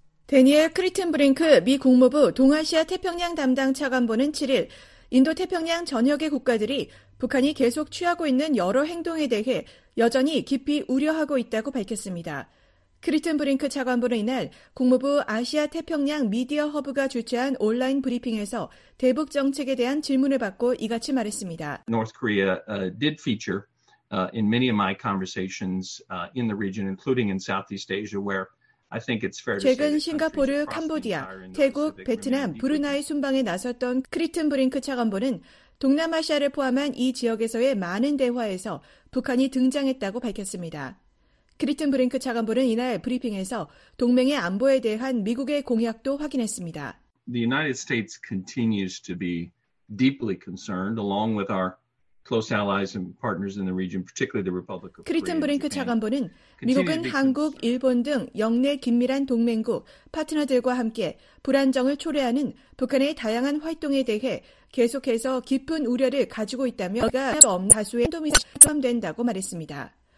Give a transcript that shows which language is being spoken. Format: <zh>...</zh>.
<ko>대니엘 크리튼브링크 미 국무부 동아시아 태평양 담당 차관보는 7일 인도 태평양 전역의 국가들이 북한이 계속 취하고 있는 여러 행동에 대해 여전히 깊이 우려하고 있다고 밝혔습니다. 크리튼브링크 차관보는 이날 국무부 아시아 태평양 미디어 허브가 주최한 온라인 브리핑에서 대북 정책에 대한 질문을 받고 이같이 말했습니다.</ko> <en>North Korea did feature in many of my conversations in the region, including in Southeast Asia, where I think it's fair to say.</en> <ko>최근 싱가포르, 캄보디아, 태국, 베트남, 브루나이 순방에 나섰던 크리튼브링크 차관보는 동남아시아를 포함한 이 지역에서의 많은 대화에서 북한이 등장했다고 밝혔습니다. 크리튼브링크 차관보는 이날 브리핑에서 동맹의 안보에 대한 미국의 공약도 확인했습니다.</ko> <en>The United States continues to be deeply concerned along with our close allies and partners in the region, particularly the Republic of Korea.</en> <ko>크리튼브링크 차관보는 미국은 한국, 일본 등 영내 긴밀한 동맹국, 파트너들과 함께 불안정을 초래하는 북한의 다양한 활동에 대해 계속해서 깊은 우려를 가지고 있다며 다수의 행동이 포함된다고 말했습니다.</ko>